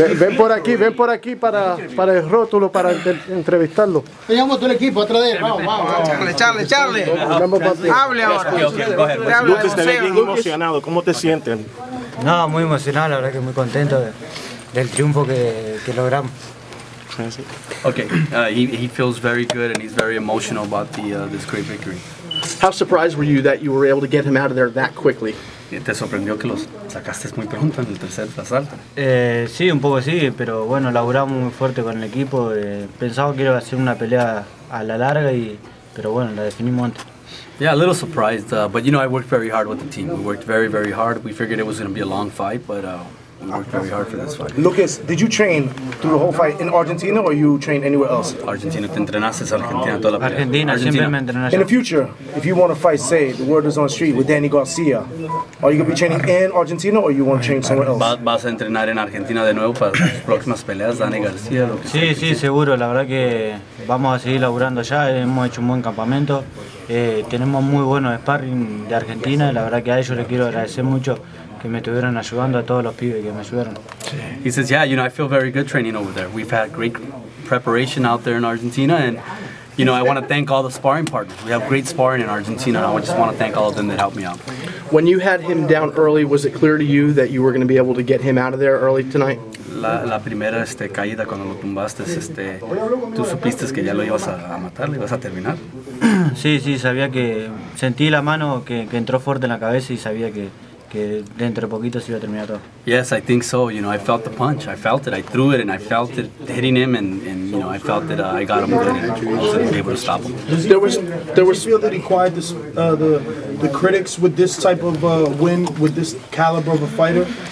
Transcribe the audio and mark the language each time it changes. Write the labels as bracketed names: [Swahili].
[Spanish] Ven por aquí para el rótulo, para entrevistarlo. Te llamo todo el equipo, otra vez. Charle. Hable ahora. Lucas, te ves bien emocionado. ¿Cómo te sientes? No, muy emocionado, la verdad que muy contento del triunfo que logramos. [English] Okay, he feels very good and he's very emotional about this great victory. How surprised were you that you were able to get him out of there that quickly? [Spanish] ¿Te sorprendió que los sacaste muy pronto en el tercer asalto? Sí, un poco sí, pero bueno, laburamos muy fuerte con el equipo. Pensaba que iba a ser una pelea a la larga, pero bueno, la definimos antes. [English] Yeah, a little surprised, but you know, I worked very hard with the team. We worked very, very hard. We figured it was going to be a long fight, but we worked very hard for this fight. Lucas, did you train through the whole fight in Argentina, or you train anywhere else? [Spanish] Argentina, te entrenaste Argentina toda la pelea. Argentina, siempre me entrenaste. [English] In the future, if you want to fight, say, the word is on the street, with Danny Garcia, are you going to be training in Argentina, or you want to train somewhere else? [Spanish] Vas a entrenar en Argentina de nuevo para las próximas peleas, Danny Garcia. Sí, seguro. La verdad que vamos a seguir laburando allá. Hemos hecho un buen campamento. Tenemos muy buenos sparring de Argentina y la verdad que a ellos les quiero agradecer mucho que me estuvieron ayudando, a todos los pibes que me ayudaron. [English] He says, yeah, you know, I feel very good training over there. We've had great preparation out there in Argentina and, you know, I want to thank all the sparring partners. We have great sparring in Argentina and I just want to thank all of them that helped me out. When you had him down early, was it clear to you that you were going to be able to get him out of there early tonight? [Spanish] La primera caída cuando lo tumbaste, tú supiste que ya lo ibas a matar, lo ibas a terminar. Sí, sabía que sentí la mano que entró fuerte en la cabeza y sabía que dentro de poquito se iba a terminar todo. [English] Yes, I think so. You know, I felt the punch. I felt it. I threw it and I felt it hitting him and you know, I felt that I got him good and I wasn't able to stop him. There was feel that he quieted the critics with this type of win, with this caliber of a fighter.